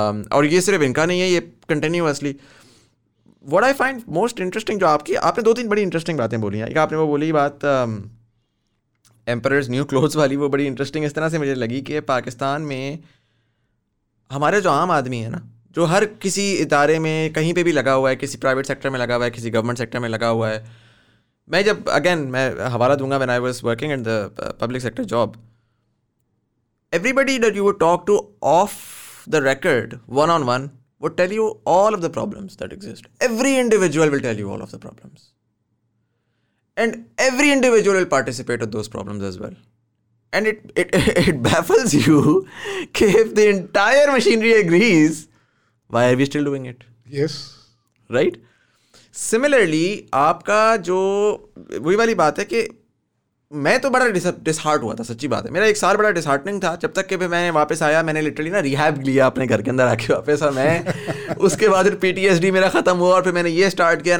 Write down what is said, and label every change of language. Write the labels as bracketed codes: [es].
[ur] اور یہ صرف ان کا نہیں ہے, یہ continuously. [en] what I find most interesting [ur] جو آپ کی, آپ نے دو تین بڑی انٹرسٹنگ باتیں بولی ہیں. ایک آپ نے وہ بولی بات ایمپرر نیو کلوتھس والی, وہ بڑی انٹرسٹنگ اس طرح سے مجھے لگی کہ پاکستان میں ہمارے جو عام آدمی ہیں نا, جو ہر کسی ادارے میں کہیں پہ بھی لگا ہوا ہے, کسی پرائیویٹ سیکٹر میں لگا ہوا ہے, کسی گورنمنٹ سیکٹر میں لگا ہوا ہے. میں جب اگین میں حوالہ دوں گا, [en] When I was working in the public sector job, everybody that you would talk to off the record one on one would tell you all of the problems that exist. Every individual will tell you all of the problems and every individual will participate in those problems as well, and it baffles you [ur] ke [en] if the entire machinery agrees, why are we still doing it? Yes, right. [ur] Similarly aapka jo wohi wali baat hai ke میں تو بڑا ڈسہارٹ ہوا تھا, سچی بات ہے. میرا ایک سال بڑا ڈسہارٹنگ تھا جب تک کہ میں واپس آیا, میں نے لٹرلی نا ریہیب لیا اپنے گھر کے اندر آ کے واپس, اور میں اس کے بعد پھر PTSD میرا ختم ہوا اور پھر میں نے یہ اسٹارٹ کیا.